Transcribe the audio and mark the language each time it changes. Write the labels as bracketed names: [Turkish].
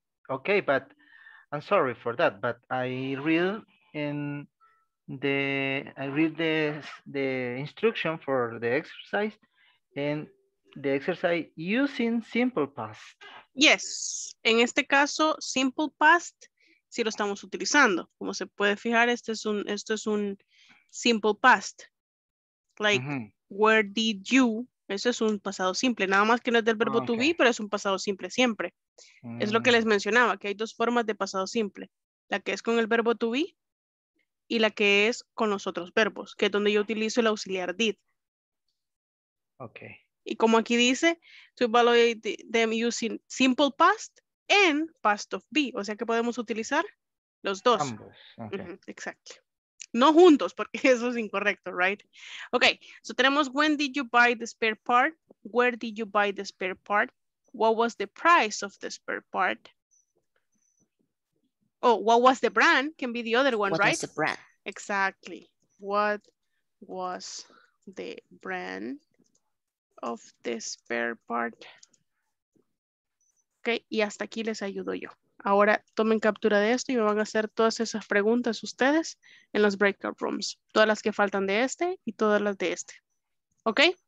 [English] Okay, but I'm sorry for that, but I read the instruction for the exercise, and the exercise using simple past. [Spanish] Yes, en este caso simple past si lo estamos utilizando. Como se puede fijar, esto es un simple past. [English] Like where did you? [Spanish] Eso es un pasado simple. Nada más que no es del verbo to be, pero es un pasado simple siempre. Mm-hmm. Es lo que les mencionaba, que hay dos formas de pasado simple. La que es con el verbo to be y la que es con los otros verbos, que es donde yo utilizo el auxiliar did. Ok. Y como aquí dice, [English] to evaluate them using simple past and past of be. [Spanish] O sea que podemos utilizar los dos. Ambos. Okay. Mm-hmm. Exacto. No juntos, porque eso es incorrecto, right? [English] Ok, so tenemos when did you buy the spare part? Where did you buy the spare part? What was the price of the spare part? Oh, what was the brand? Can be the other one, what right? What was the brand? Exactly. What was the brand of the spare part? [Spanish] Ok, y hasta aquí les ayudo yo. Ahora tomen captura de esto y me van a hacer todas esas preguntas ustedes en los breakout rooms. Todas las que faltan de este y todas las de este. ¿Ok?